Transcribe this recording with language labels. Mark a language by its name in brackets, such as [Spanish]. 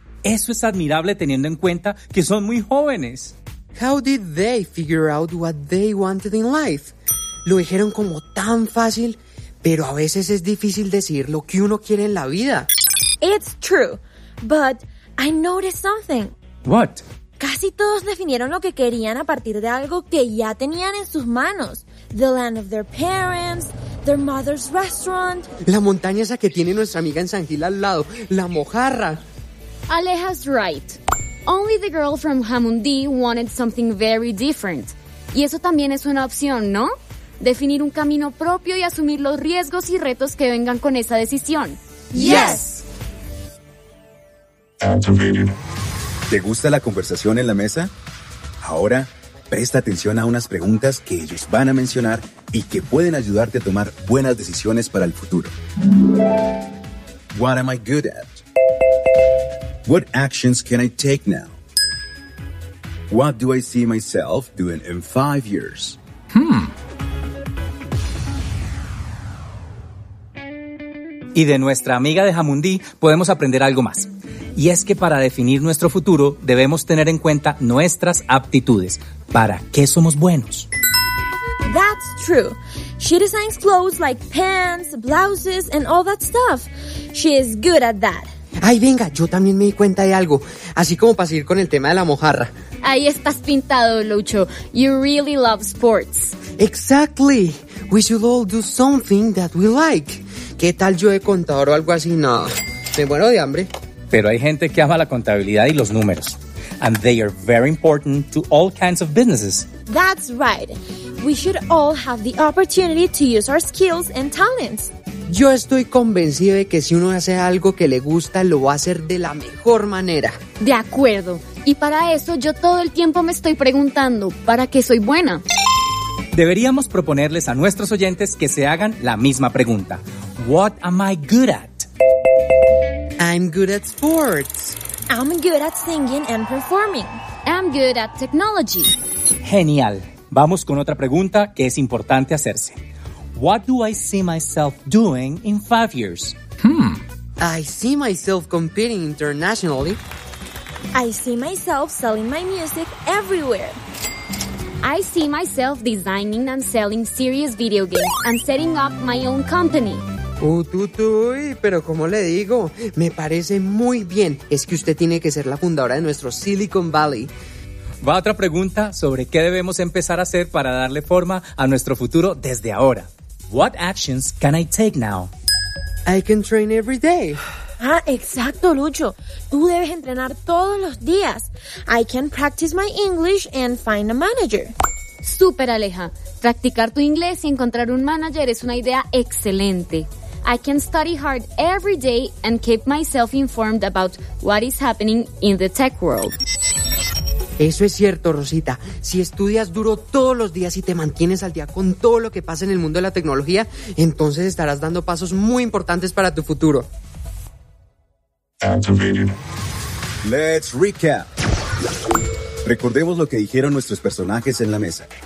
[Spanish] Eso es admirable teniendo en cuenta que son muy jóvenes. [English] How did they figure out what they wanted in life? [Spanish] Lo dijeron como tan fácil, pero a veces es difícil decir lo que uno quiere en la vida. [English] It's true, but I noticed something. What? [Spanish] Casi todos definieron lo que querían a partir de algo que ya tenían en sus manos. [English] The land of their parents, their mother's restaurant. [Spanish] La montaña esa que tiene nuestra amiga en San Gil al lado, La Mojarra. [English] Aleja's right. Only the girl from Jamundí wanted something very different. [Spanish] Y eso también es una opción, ¿no? Definir un camino propio y asumir los riesgos y retos que vengan con esa decisión. [English] Yes. [Spanish] ¿Te gusta la conversación en la mesa? Ahora, presta atención a unas preguntas que ellos van a mencionar y que pueden ayudarte a tomar buenas decisiones para el futuro. [English] What am I good at? What actions can I take now? What do I see myself doing in 5 years? [Spanish] Y de nuestra amiga de Jamundí podemos aprender algo más. Y es que para definir nuestro futuro debemos tener en cuenta nuestras aptitudes. ¿Para qué somos buenos? [English] That's true. She designs clothes like pants, blouses, and all that stuff. She is good at that. [Spanish] Ay, venga, yo también me di cuenta de algo. Así como para seguir con el tema de La Mojarra. Ahí estás pintado, Lucho. [English] You really love sports. Exactly. We should all do something that we like. [Spanish] ¿Qué tal yo de contador o algo así? No, me muero de hambre. Pero hay gente que ama la contabilidad y los números. [English] And they are very important to all kinds of businesses. That's right. We should all have the opportunity to use our skills and talents. [Spanish] Yo estoy convencido de que si uno hace algo que le gusta, lo va a hacer de la mejor manera. De acuerdo. Y para eso yo todo el tiempo me estoy preguntando, ¿para qué soy buena? Deberíamos proponerles a nuestros oyentes que se hagan la misma pregunta. [English] What am I good at? I'm good at sports. I'm good at singing and performing. I'm good at technology. [Spanish] Genial. Vamos con otra pregunta que es importante hacerse. [English] What do I see myself doing in 5 years? I see myself competing internationally. I see myself selling my music everywhere. I see myself designing and selling serious video games and setting up my own company. [Spanish] Uy, pero ¿cómo le digo? Me parece muy bien. Es que usted tiene que ser la fundadora de nuestro Silicon Valley. Va otra pregunta sobre qué debemos empezar a hacer para darle forma a nuestro futuro desde ahora. [English] What actions can I take now? I can train every day. [Spanish] Ah, exacto, Lucho. Tú debes entrenar todos los días. [English] I can practice my English and find a manager. [Spanish] Súper, Aleja. Practicar tu inglés y encontrar un manager es una idea excelente. [English] I can study hard every day and keep myself informed about what is happening in the tech world. [Spanish] Eso es cierto, Rosita. Si estudias duro todos los días y te mantienes al día con todo lo que pasa en el mundo de la tecnología, entonces estarás dando pasos muy importantes para tu futuro. [English] Let's recap. [Spanish] Recordemos lo que dijeron nuestros personajes en la mesa.